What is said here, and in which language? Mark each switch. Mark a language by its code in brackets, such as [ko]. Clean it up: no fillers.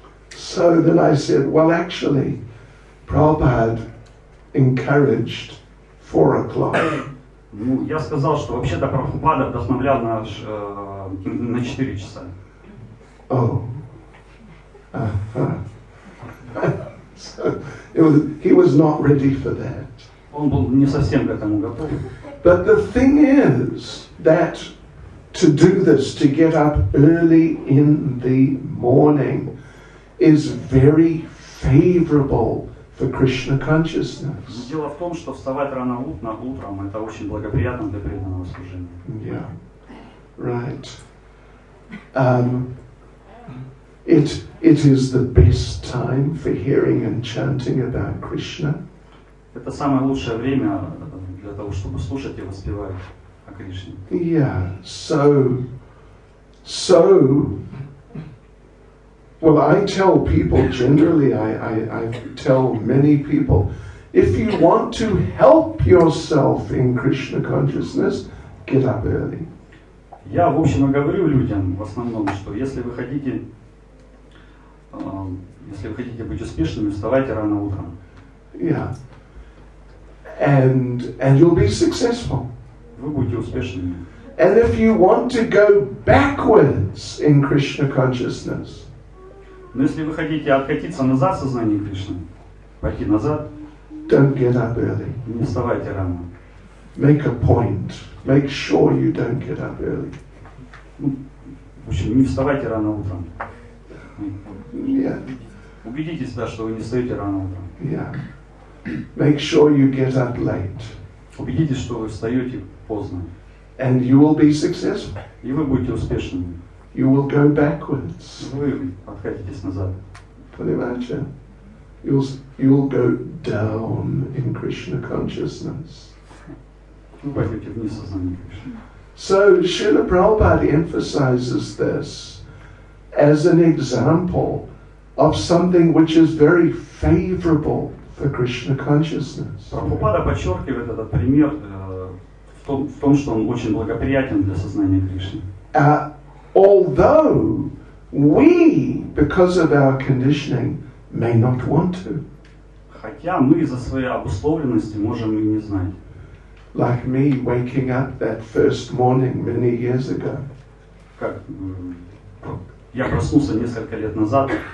[en] So then I said, well, actually, Prabhupada encouraged 4 o'clock. [ru] Ну, я сказал, что вообще-то Прабхупада вдохновлял наш на 4 часа. [en] Oh. So he was not ready for that. [ru] Он был не совсем к этому готов. [en] But the thing is that to do this, to get up early in the morning, is very favorable for Krishna consciousness. [ru] Дело в том, что вставать рано утром это очень благоприятно для преданного служения. [en] Yeah. Right. It is the best time for hearing and chanting about Krishna. [ru] Это самое лучшее время для того, чтобы слушать и воспевать о Кришне. [en] Yeah. So. Well, I tell people generally. I tell many people, if you want to help yourself in Krishna consciousness, get up early. [ru] Я в общем говорю людям в основном, что если вы хотите если вы хотите быть успешными, вставайте рано утром. [en] Yeah. And you'll be successful. [ru] Вы будете успешными. [en] And if you want to go backwards in Krishna consciousness. [ru] Но если вы хотите откатиться назад в сознании Кришны, пойти назад. [en] Don't get up early. [ru] Не вставайте рано. [en] Make a point. Make sure you don't get up early. [ru] В общем, не вставайте рано утром. [en] Yeah. [ru] Убедитесь, да, что вы не встаете рано утром. [en] Yeah. Make sure you get up late. [ru] Убедитесь, что вы встаете поздно. [en] And you will be successful. [ru] И вы будете успешными. [en] You will go backwards. [ru] Вы откатитесь назад. Понимаете? [en] You'll go down in Krishna consciousness. [ru] Вы пойдете вниз в сознание Кришны. [en] So Srila Prabhupada emphasizes this as an example of something which is very favorable for Krishna consciousness. [ru] Прабхупада подчеркивает этот пример в том, что он очень благоприятен для сознания Кришны. [en] Although we, because of our conditioning, may not want to. [ru] Хотя мы из-за своей обусловленности можем и не знать. [en] Like me waking up that first morning many years ago. [ru] Как я проснулся несколько лет назад.